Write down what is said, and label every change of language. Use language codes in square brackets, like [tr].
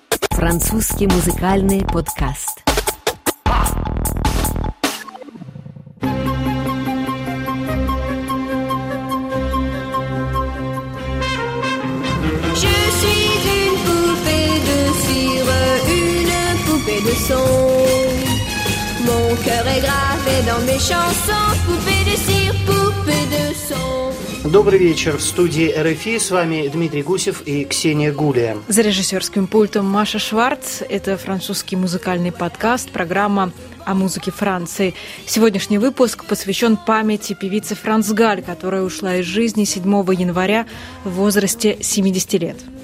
[ru] французский музыкальный подкаст. [fr] Je suis une poupée de cire, une poupée de son. Mon cœur est gravé dans mes chansons, poupée de cire, poupée de son. [ru] Добрый вечер. В студии РФИ с вами Дмитрий Гусев и Ксения Гулия. За режиссерским пультом Маша Шварц. Это французский музыкальный подкаст, программа о музыке Франции. Сегодняшний выпуск посвящен памяти певицы Франс Галь, которая ушла из жизни 7 января в возрасте 70 лет.